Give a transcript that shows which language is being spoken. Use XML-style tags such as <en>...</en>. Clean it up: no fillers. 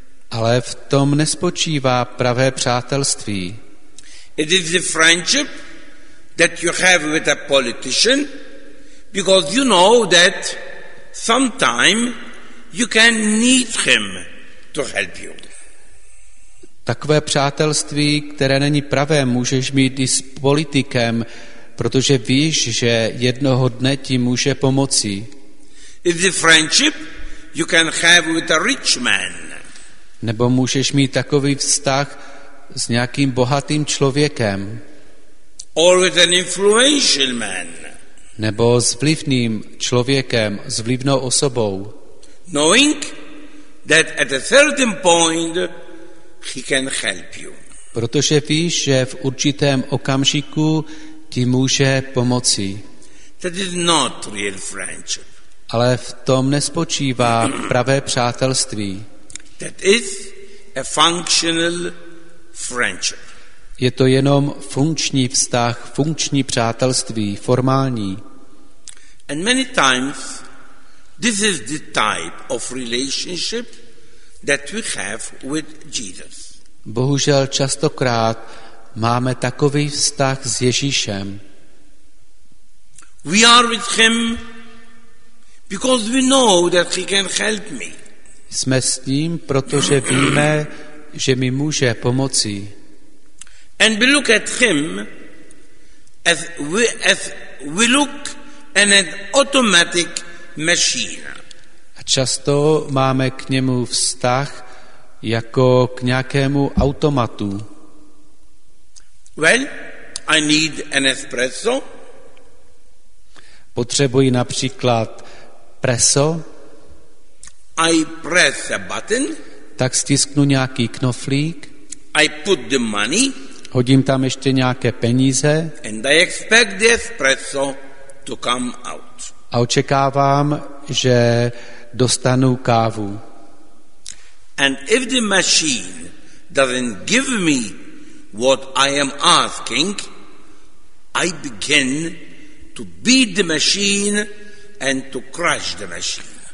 <cs>Ale v tom nespočívá pravé přátelství.</cs> <en>It is the friendship that you have with a politician because you know that sometime you can need him to help you.</en> <cs>Takové přátelství, které není pravé, můžeš mít i s politikem, protože víš, že jednoho dne ti může pomoci.</cs> <en>It is the friendship you can have with a rich man.</en> <cs>Nebo můžeš mít takový vztah s nějakým bohatým člověkem.</cs> <en>Or with an influential man.</en> <cs>Nebo s vlivným člověkem, s vlivnou osobou.</cs> <en>Knowing that at a certain point he can help you.</en> <cs>Protože víš, že v určitém okamžiku ti může pomoci.</cs> <en>That is not real friendship.</en> <cs>Ale v tom nespočívá pravé přátelství.</cs> <en>That is a functional friendship.</en> <cs>Je to jenom funkční vztah, funkční přátelství, formální.</cs> <en>And many times this is the type of relationship that we have with Jesus.</en> <cs>Bohužel častokrát máme takový vztah s Ježíšem.</cs> <en>We are with him because we know that he can help me.</en> <cs>Jsme s ním, protože víme, že mi může pomoci.</cs> <en>And we look at him as we look at an automatic machine.</en> <cs>A často máme k němu vztah jako k nějakému automatu.</cs> <en>Well, I need an espresso.</en> <cs>Potřebuji například preso.</cs> <en>I press a button.</en> <cs>Tak stisknu nějaký knoflík.</cs> <en>I put the money.</en> <cs>Hodím tam ještě nějaké peníze.</cs> <en>And I expect the espresso to come out.</en> <cs>A očekávám, že dostanu kávu.</cs> <en>And if the machine doesn't give me what I am asking, I begin to beat the machine and to crush the machine.</en>